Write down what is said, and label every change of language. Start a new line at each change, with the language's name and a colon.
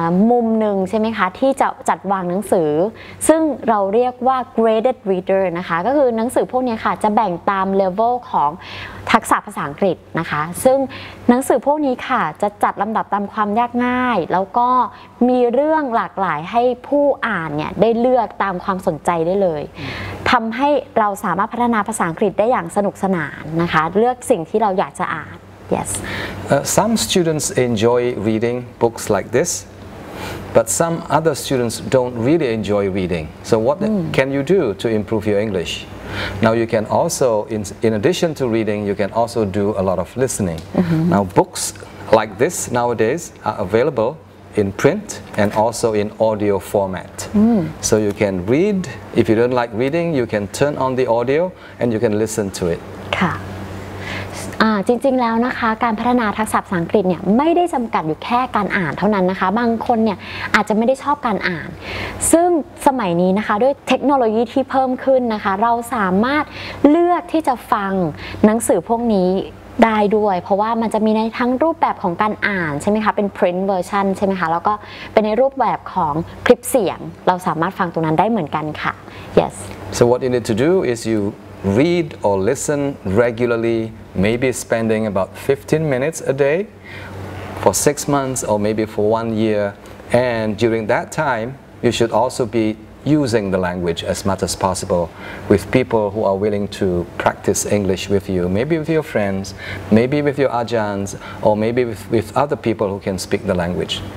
Thai: มุมหนึ่งใช่ไหมคะที่จะจัดวางหนังสือซึ่งเราเรียกว่า graded reader นะคะก็คือหนังสือพวกนี้ค่ะจะแบ่งตามเลเวลของทักษะภาษาอังกฤษนะคะซึ่งหนังสือพวกนี้ค่ะจะจัดลำดับตามความยากง่ายแล้วก็มีเรื่องหลากหลายให้ผู้อ่านเนี่ยได้เลือกตามความสนใจได้เลยทำให้เราสามารถพัฒนาภาษาอังกฤษได้อย่างสนุกสนานนะคะเลือกสิ่งที่เราอยากจะอ่านYes.
English: Some students enjoy reading books like this, but some other students don't really enjoy reading. So what can you do to improve your English? Now you can also, in addition to reading, you can also do a lot of listening. Mm-hmm. Now books like this nowadays are available in print and also in audio format. Mm. So you can read. If you don't like reading, you can turn on the audio and you can listen to it. Ka.
Thai: จริงๆแล้วนะคะการพัฒนาทักษะภาษาอังกฤษเนี่ยไม่ได้จำกัดอยู่แค่การอ่านเท่านั้นนะคะบางคนเนี่ยอาจจะไม่ได้ชอบการอ่านซึ่งสมัยนี้นะคะด้วยเทคโนโลยีที่เพิ่มขึ้นนะคะเราสามารถเลือกที่จะฟังหนังสือพวกนี้ได้ด้วยเพราะว่ามันจะมีในทั้งรูปแบบของการอ่านใช่ไหมคะเป็น print version ใช่ไหมคะแล้วก็เป็นในรูปแบบของคลิปเสียงเราสามารถฟังตรงนั้นได้เหมือนกันค่ะ yes
English: so what you need to do is youRead or listen regularly, maybe spending about 15 minutes a day for 6 months or maybe for 1 year. And during that time, you should also be using the language as much as possible with people who are willing to practice English with you, maybe with your friends, maybe with your ajans, or maybe with other people who can speak the language.